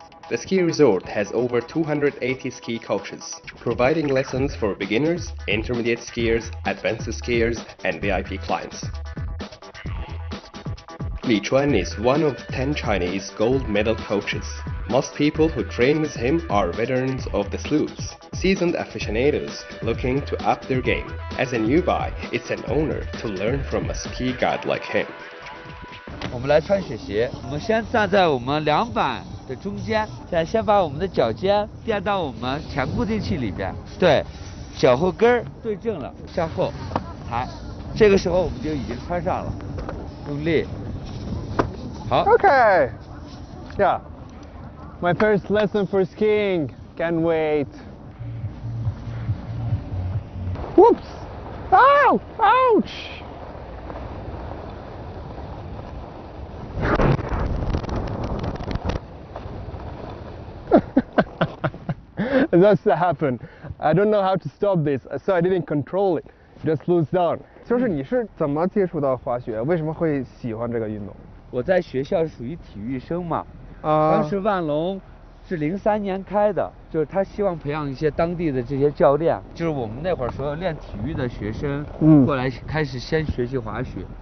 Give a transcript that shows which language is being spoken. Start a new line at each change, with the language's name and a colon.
English: The ski resort has over 280 ski coaches, providing lessons for beginners, intermediate skiers, advanced skiers, and VIP clients. Li Chuan is one of 10 Chinese gold medal coaches. Most people who train with him are veterans of the slopes, seasoned aficionados looking to up their game. As a newbie, it's an honor to learn from a ski god like him.
Chinese: 我们来穿雪鞋，我们先站在我们两板的中间，现在先把我们的脚尖垫到我们前固定器里边，对，脚后跟对正了，向后抬，这个时候我们就已经穿上了。用力。好。
English: Okay. Yeah. My first lesson for skiing. Can't wait. Whoops. Ow! Ouch. That's what happened. I don't know how to stop this, so I didn't control it. Just lose down.
Chinese: 就是你是怎么接触到滑雪？为什么会喜欢这个运动？我在学校是属于体育生嘛。当时万隆是2003年开的，就是他希望培养一些当地的这些教练，就是我们那会儿所有练体育的学生，过来开始先学习滑雪。